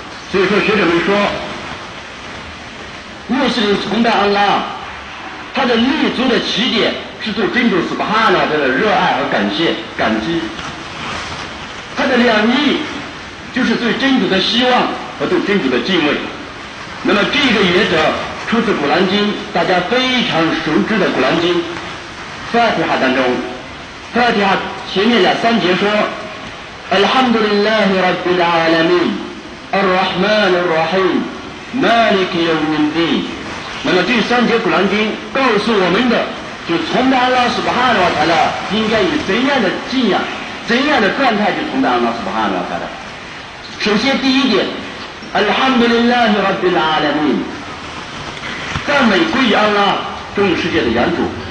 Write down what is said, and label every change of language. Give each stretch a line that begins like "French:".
Chinese: 所以说学者们说，穆斯林崇拜安拉他的立足的起点是对真主苏巴哈纳瓦塔阿拉的热爱和感谢感激，他的两翼就是对真主的希望和对真主的敬畏。那么这个原则出自古兰经，大家非常熟知的古兰经发提哈当中，发提哈前面两三节说
Arabic: الحمد لله رب العالمين الرحمن الرحيم مالك يوم الدين。
Chinese: 那么这三节古兰经告诉我们的，就崇拜阿拉斯巴哈诺塔拉应该以怎样的敬仰，怎样的状态去崇拜阿拉斯巴哈诺塔拉。首先第一点，
Arabic: الحمد لله رب العالمين，
Chinese: 赞美归于安拉，众世界的原主。